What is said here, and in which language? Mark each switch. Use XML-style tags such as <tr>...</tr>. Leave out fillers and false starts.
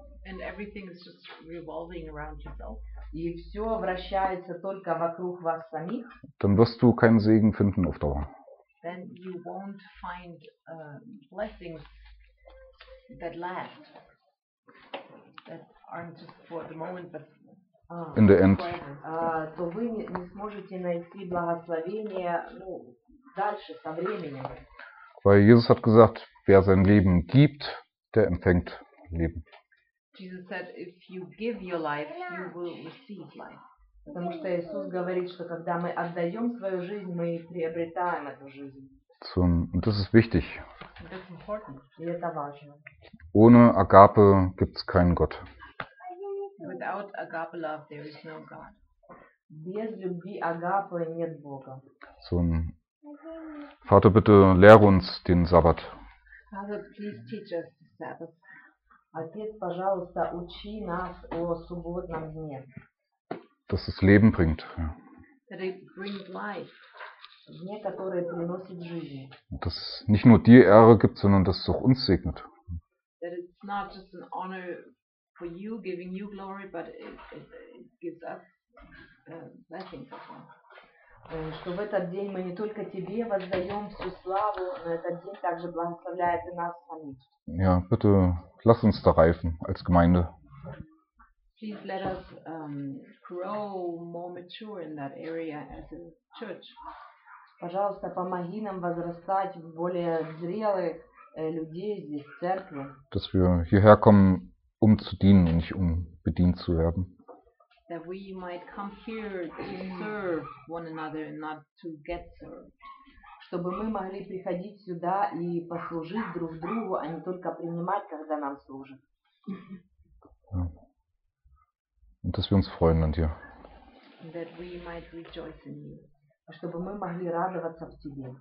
<en>And everything is just revolving around yourself.</en> <ru>И все вращается только вокруг вас самих.</ru> <de>Dann wirst du keinen Segen finden auf Dauer.</de> <en>Then you won't find blessings that last, that aren't just for the moment, but in the end.</en> <ru>То вы не сможете найти благословение, ну, дальше со временем.</ru> <de>Weil Jesus hat gesagt, wer sein Leben gibt, der empfängt Leben.</de> <en>Jesus said, if you give your life, you will receive life.</en> <ru>Потому что Иисус говорит, что когда мы отдаем свою жизнь, мы приобретаем эту жизнь.</ru> <de>So, und das ist wichtig.</de> <en>That's important.</en> <ru>И это важно.</ru> <de>Ohne Agape gibt's keinen Gott.</de> <en>Without agape love, there is no God.</en> <ru>Без любви агапы нет Бога.</ru> <de>So, Vater, bitte lehre uns den Sabbat.</de> <en>Father, please teach us the Sabbath.</en> <ru>Отец, пожалуйста, учи нас о субботном дне.</ru> <de>Dass es Leben bringt.</de> <en>That it brings life.</en> <ru>Дне, которое приносит жизнь.</ru> <de>Dass nicht nur dir Ehre gibt, sondern dass es auch uns segnet.</de> <en>That it's not just an honor for you, giving you glory, but it gives us blessing.</en> <ru>Что в этот день мы не только тебе воздаем всю славу, но этот день также благословляет и нас самих.</ru> <de>Ja, bitte lass uns da reifen als Gemeinde.</de> <en>Please let us grow more mature in that area as a church.</en> <ru>Пожалуйста, помоги нам возрастать в более зрелых людей здесь, в церкви.</ru> <de>Dass wir hierher kommen, um zu dienen und nicht um bedient zu werden.</de> <en>That we might come here to serve one another and not to get served.</en> <ru>Чтобы мы могли приходить сюда и послужить друг другу, а не только принимать, когда нам служат.</ru> <de>Ja. Und dass wir uns freuen an dir.</de> <en>That we might rejoice in you.</en> <ru>Чтобы мы могли радоваться в тебе.</ru>